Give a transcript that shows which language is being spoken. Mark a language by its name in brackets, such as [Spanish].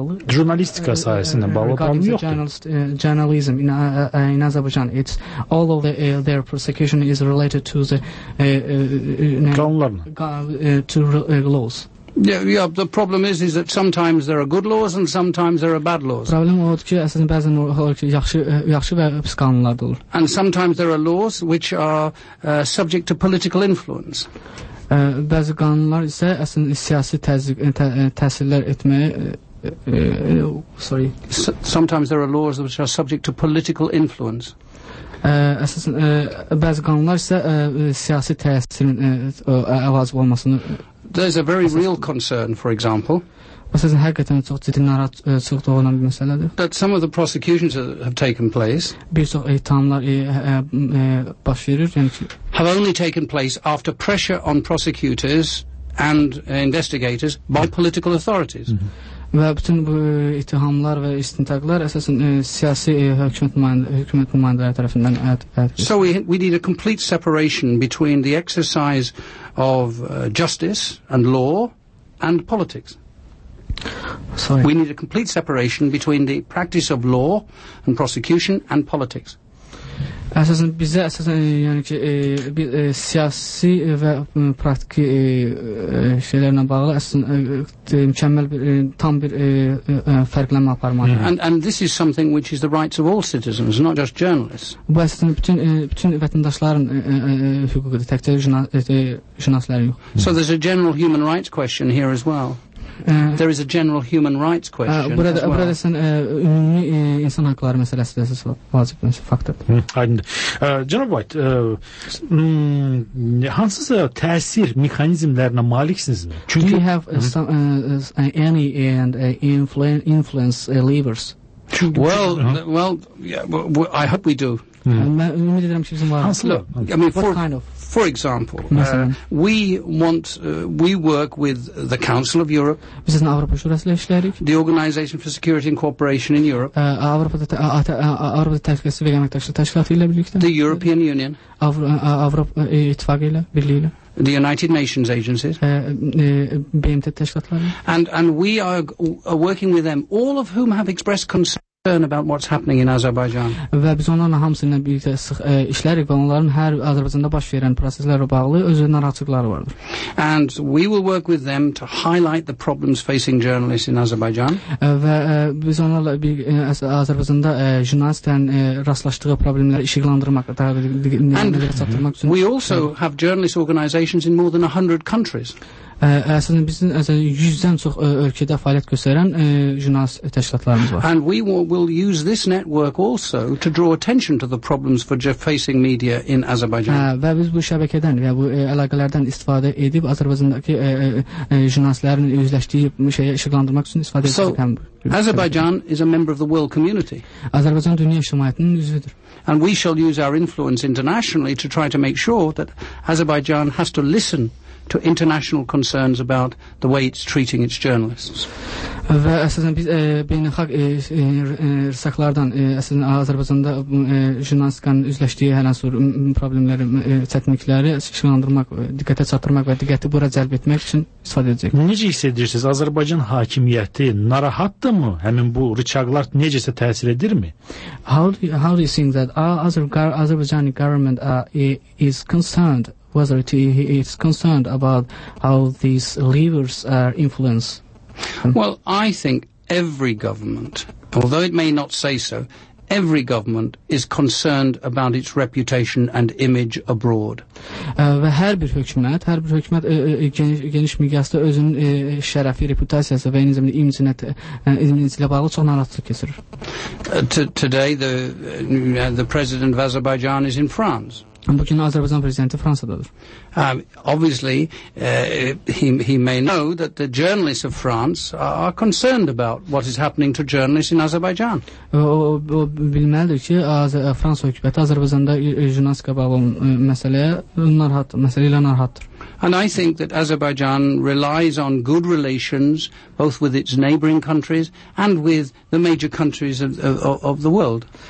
[Azerbaijani] Jurnalistika sayəsində bağlı problem yoxdur. [English] Journalism in Azerbaijan, it's all of their persecution is related to the... [Azerbaijani] Qanunlarına. [English] Yeah, the problem is that sometimes there are good laws and sometimes there are bad laws. [Azerbaijani] Problem odur ki, əslində bəzən olur ki, yaxşı və pis qanunlar da olur. [English] And sometimes there are laws which are subject to political influence. [Azerbaijani] Bəzi qanunlar isə əslində siyasi təsirlər etməyə [English] Sometimes there are laws which are subject to political influence. [Azerbaijani] Əsasən bəzi qanunlar isə siyasi təsirin əvəzi olmasını [English] There's a very real concern, for example, that some of the prosecutions have taken place have only taken place after pressure on prosecutors and investigators by political authorities. [Azerbaijani] Ve bütün bu ittihamlar ve istintaklar əsasən siyasi hökumət nümayəndələri tərəfindən [English] So we need a complete separation between the exercise of justice and law and politics. Sorry. We need a complete separation between the practice of law and prosecution and politics. [Azerbaijani] Əsasən bizə əsasən yəni ki bir siyasi və praktiki şeylərlə bağlı əsasən mükəmməl bir tam bir fərqlənmə aparmalıyıq. [English] And this is something which is the rights of all citizens, not just journalists. [Azerbaijani] Bu əsasən bütün vətəndaşların hüququdur, təkcə jurnalistlərin yox. [English] So there's a general human rights question here as well. There is a general human rights question. [Azerbaijani] Burada sən ümumi insan hüquqları məsələsi də əsas vacib bir faktordur. Aydındır. Cənab White, hansı təsir mexanizmlərinə maliksiniz? Çünki [English] we have any and influence levers. Well, yeah, I hope we do. [Azerbaijani] Mən ümid edirəm ki bizim var. Hansı? [English] For example, we work with the Council of Europe. [Azerbaijani] Biz sizin Avropa Şurası ilə işləyirik. [English] The Organization for Security and Cooperation in Europe. [Azerbaijani] Avropa Təhlükəsizlik və Əməkdaşlıq Təşkilatı ilə birlikdə. [English] The European Union. [Azerbaijani] Avropa İttifaqı ilə birlikdə. [English] The United Nations agencies. [Azerbaijani] BMT təşkilatları. [English] And we are working with them, all of whom have expressed concern about what's happening in Azerbaijan. [Azerbaijani] Və biz onlarla hamısıyla birlikdə işləyirik və onların hər Azərbaycanda baş verən proseslərlə bağlı öz narahatlıqları vardır. [English] And we will work with them to highlight the problems facing journalists in Azerbaijan. [Azerbaijani] Və biz onlarla bir Azərbaycanda jurnalistlərin rastlaşdığı problemləri işıqlandırmaq, diqqətlərini çatdırmaq üçün. [English] We also have journalist organizations in more than 100 countries. [Azerbaijani] Əsasən bizim 100-dən çox ölkədə fəaliyyət göstərən jurnalist təşkilatlarımız var. [English] And we will use this network also to draw attention to the problems for facing media in Azerbaijan. [Azerbaijani] Və biz bu şəbəkədən və bu əlaqələrdən istifadə edib Azərbaycandakı jurnalistlərin üzləşdiyi şeyə işıqlandırmaq üçün istifadə edəcəyik. [English] Azerbaijan is a member of the world community. [Azerbaijani] Azərbaycan dünya cəmiyyətinin üzvüdür. [English] And we shall use our influence internationally to try to make sure that Azerbaijan has to listen to international concerns about the way it's treating its journalists. [Azerbaijani] Və əsasən biz beynəlxalq rəsaqlardan əsasən Azərbaycanda jurnalistikanın üzləşdiyi hər hansı problemləri, çətinlikləri işıqlandırmaq, diqqətə çatdırmaq və diqqəti bura cəlb etmək üçün istifadə edəcək. Necə hiss edirsiniz? Azərbaycan hakimiyyəti narahatdır mı? Həmin bu rıçaqlar necəsə təsir edirmi? [English] How do you think that Azerbaijani government is concerned whether it is concerned about how these levers are influenced? Well, I think every government, although it may not say so, every government is concerned about its reputation and image abroad. [Azerbaijani] Və hər bir hökumət geniş miqyasda özünün şərəfi, reputasiyası və eyni zamanda imicinə bağlı çox narahatlıq keçirir. [English] Today the president of Azerbaijan is in France. [Azerbaijani] Bugün Azərbaycan prezidenti Fransadadır. [English] Obviously, he may know that the journalists of France are concerned about what is happening to journalists in Azerbaijan. [Azerbaijani] O bilməlidir ki, Fransa hökuməti Azərbaycanda jurnalistika bağlı məsələ ilə narahatdır. [English] And I think that Azerbaijan relies on good relations both with its neighboring countries and with the major countries of the world.